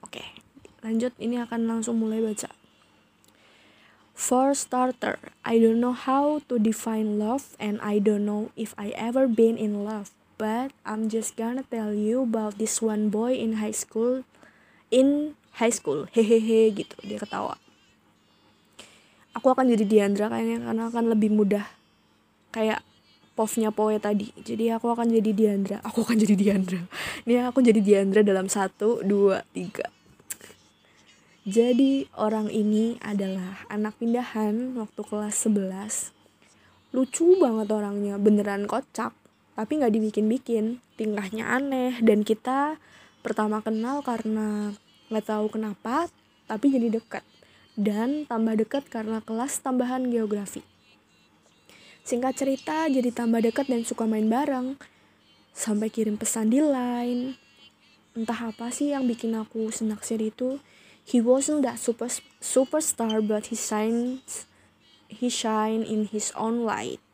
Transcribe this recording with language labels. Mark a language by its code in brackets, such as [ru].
[id] Oke, lanjut, ini akan langsung mulai baca. [en] For starter, I don't know how to define love and I don't know if I ever been in love, but I'm just gonna tell you about this one boy in high school. [id] Hehehe gitu, dia ketawa. Aku akan jadi Diandra kayaknya, karena akan lebih mudah. Kayak pofnya Poe tadi. Jadi aku akan jadi Diandra. Ini aku jadi Diandra dalam 1, 2, 3. Jadi orang ini adalah anak pindahan waktu kelas 11. Lucu banget orangnya, beneran kocak. Tapi gak dibikin-bikin, tingkahnya aneh. Dan kita pertama kenal karena gak tahu kenapa, tapi jadi dekat. Dan tambah dekat karena kelas tambahan geografi. Singkat cerita, jadi tambah dekat dan suka main bareng. Sampai kirim pesan di LINE. Entah apa sih yang bikin aku senaksir itu. [en] He wasn't that superstar, but he shine in his own light.